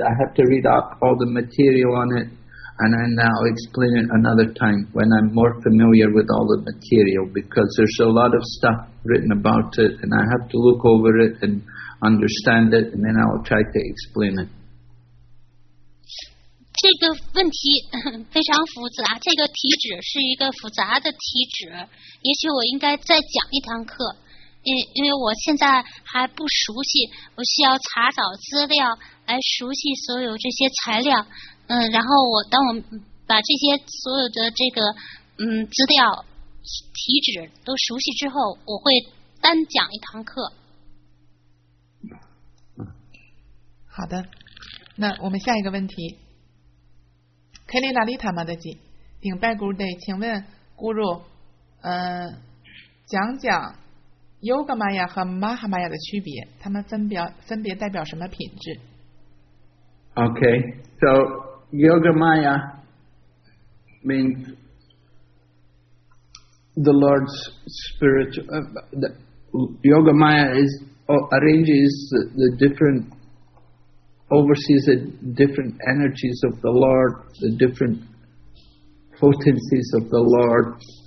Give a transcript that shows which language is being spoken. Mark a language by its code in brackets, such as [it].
[en] I have to read up all the material on it, and then I'll explain it another time when I'm more familiar with all the material, because there's a lot of stuff written about it, and I have to look over it and understand it, and then I'll try to explain it. [zh] 这个问题非常复杂，这个题旨是一个复杂的题旨，也许我应该再讲一堂课，因为我现在还不熟悉，我需要查找资料来熟悉所有这些材料，然后我当我把这些所有的这个资料题旨都熟悉之后，我会单讲一堂课。好的，那我们下一个问题。凯里拉丽塔马德吉，顶拜古鲁德，请问古鲁，讲讲尤格玛雅和马哈玛雅的区别，他们分别代表什么品质 [en] ？OK, so yoga maya means the Lord's spiritual. The yoga maya is arranges the different. Oversees the different energies of the Lord, the different potencies of the Lord.